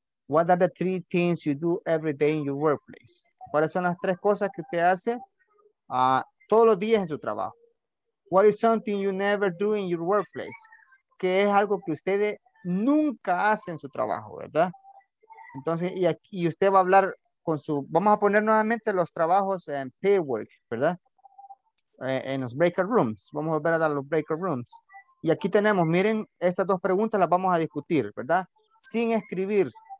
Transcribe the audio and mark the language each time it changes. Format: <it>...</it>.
<en>What are the three things you do every day in your workplace?</en> <es>¿Cuáles son las tres cosas que usted hace todos los días en su trabajo?</es> <en>What is something you never do in your workplace?</en> <es>Que es algo que ustedes nunca hacen en su trabajo, ¿verdad? Entonces, y usted va a hablar con su... Vamos a poner nuevamente los trabajos en paperwork, ¿verdad? En los breakout rooms. Vamos a volver a dar los breakout rooms. Y aquí tenemos, miren, estas dos preguntas las vamos a discutir, ¿verdad? sin escribir.</es>